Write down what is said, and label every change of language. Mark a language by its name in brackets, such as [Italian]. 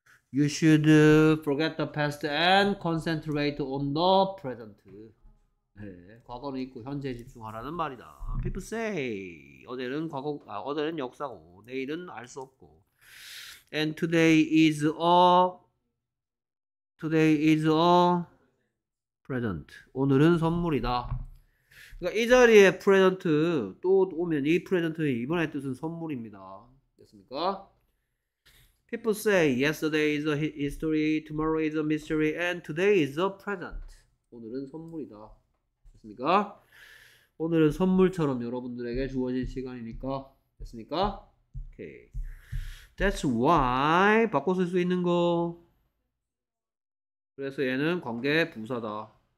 [English] You should forget the past and concentrate on the present. [Korean] 네, 과거는 잊고 현재에 집중하라는 말이다. [English] People say [Korean] 어제는 과거, 어제는 역사고 내일은 알 수 없고. [English] And today is a present. [Korean] 오늘은 선물이다. 그러니까 이 자리에 present 또 오면 이 present의 이번의 뜻은 선물입니다. 됐습니까? [English] People say yesterday is a history, tomorrow is a mystery, and today is a present. [Korean] 오늘은 선물이다. 됐습니까? 오늘은 선물처럼 여러분들에게 주어진 시간이니까. 됐습니까? [English] Okay. That's why [Korean] 바꿔 쓸 수 있는 거. 그래서 얘는 관계 부사다.